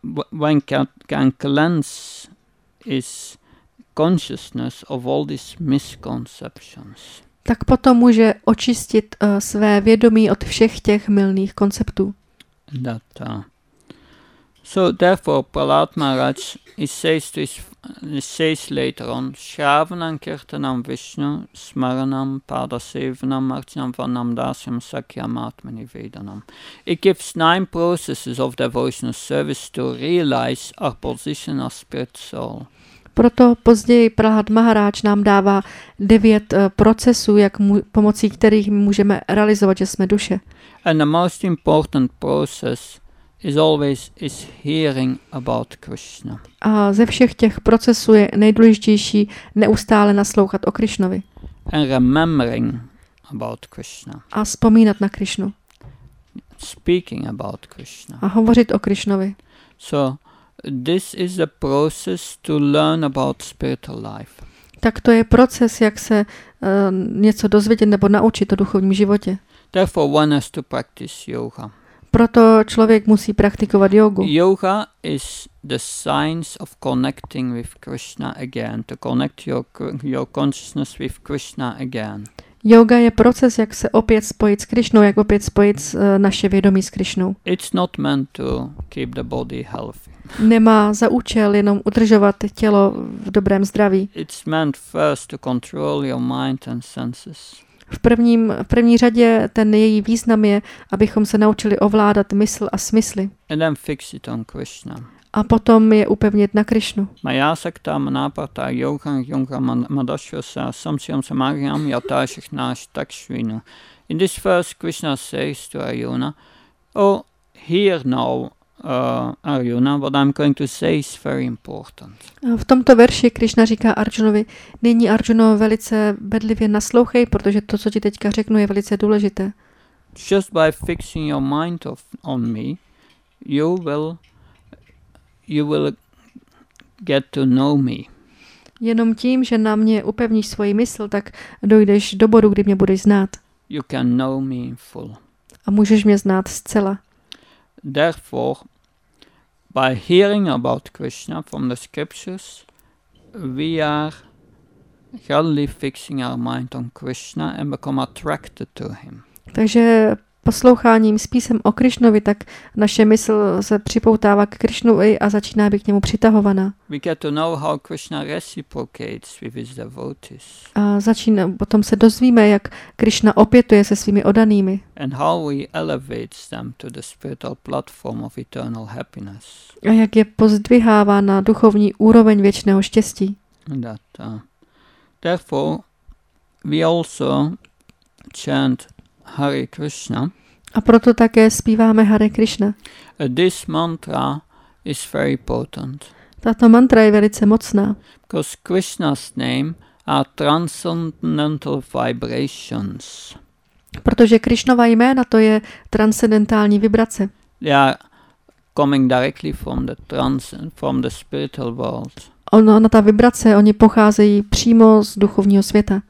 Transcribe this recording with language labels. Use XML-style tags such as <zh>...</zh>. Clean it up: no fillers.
<en>One can cleanse his consciousness of all these misconceptions.</en> <cs>Tak potom může očistit své vědomí od všech těch mylných konceptů.</cs> <en>So therefore, Prahlad Maharaj says later on,</en> <sa>Shravanam Kirtanam Vishnu Smaranam Padasevanam Archanam Vannam Dasyam Sakyam Atmani Vedanam.</sa> <en>It gives 9 processes of devotional service to realize our position as spirit soul.</en> <cs>Proto později Prahlad Maharaj nám dává 9 procesů, pomocí kterých můžeme realizovat, že jsme duše.</cs> <en>And the most important process is always hearing about Krishna.</en> <cs>A ze všech těch procesů je nejdůležitější neustále naslouchat o Krishnovi.</cs> <en>And remembering about Krishna.</en> <cs>A vzpomínat na Krishnu.</cs> <en>Speaking about Krishna.</en> <cs>A hovořit o Krishnovi.</cs> <en>So this is a process to learn about spiritual life.</en> <cs>Tak to je proces, jak se něco dozvědět nebo naučit o duchovním životě.</cs> <en>Therefore one has to practice yoga.</en> <cs>Proto člověk musí praktikovat jógu.</cs> <en>Yoga is the science of connecting with Krishna again, to connect your consciousness with Krishna again.</en> <cs>Yoga je proces, jak se opět spojit s Krišnou, jak opět spojit naše vědomí s Krišnou.</cs> <en>It's not meant to keep the body healthy.</en> <cs>Nemá za účel jenom udržovat tělo v dobrém zdraví.</cs> <en>It's meant first to control your mind and senses.</en> <cs>V první řadě ten její význam je, abychom se naučili ovládat mysl a smysly.</cs> <en>And then fix it on Krishna.</en> <cs>A potom je upevnit na Krišnu.</cs> <sa>Maya sakta manapata yoga yoga madashvasa samsyam samagyam yatashik nash takshvinu.</sa> <en>In this verse, Krishna says to Arjuna, oh, hear now, Arjuna, what I'm going to say is very important.</en> <cs>V tomto verši Krišna říká Arjunovi, nyní Arjuno, velice bedlivě naslouchej, protože to, co ti teďka řeknu, je velice důležité.</cs> <en>Just by fixing your mind on me, you will get to know me.</en> <cs>Jenom tím, že na mě upevníš svoji mysl, tak dojdeš do bodu, kdy mě budeš znát.</cs> <en>You can know me in full.</en> <cs>A můžeš mě znát zcela.</cs> <en>Therefore, by hearing about Krishna from the scriptures, we are gradually fixing our mind on Krishna and become attracted to him.</en> <cs>Takže posloucháním s písem o Krišnovi, tak naše mysl se připoutává k Krišnovi a začíná být k němu přitahovaná.</cs> <en>We get to know how Krishna reciprocates with his devotees.</en> <cs>A začíná, potom se dozvíme, jak Krišna opětuje se svými oddanými.</cs> <en>And how he elevates them to the spiritual platform of eternal happiness.</en> <cs>A jak je pozdvihává na duchovní úroveň věčného štěstí.</cs> <en>That, therefore, we also chant Hare Krishna.</en> <cs>A proto také zpíváme Hare Krishna.</cs> <en>This mantra is very potent.</en> <cs>Tato mantra je velice mocná.</cs> <en>Because Krishna's name are transcendental vibrations.</en> <cs>Protože Krišnova jména, to je transcendentální vibrace.</cs> <en>They are coming directly from the spiritual world.</en> <cs>Ona ta vibrace, oni pocházejí přímo z duchovního světa.</cs>